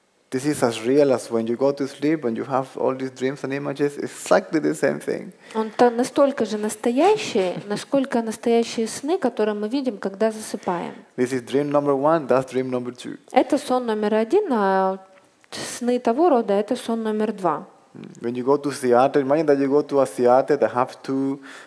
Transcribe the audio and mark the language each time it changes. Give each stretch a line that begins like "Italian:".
English: This is as real as when you go to sleep and you have all these dreams and images. Exactly the same thing.
Russian: Он настолько же настоящий, насколько настоящие сны, которые мы видим, когда засыпаем.
English: This is dream number one. That's dream number two.
Russian: Это сон номер один, а сны того рода — это сон номер два.
English: When you go to theater, imagine that you go to a theater that have two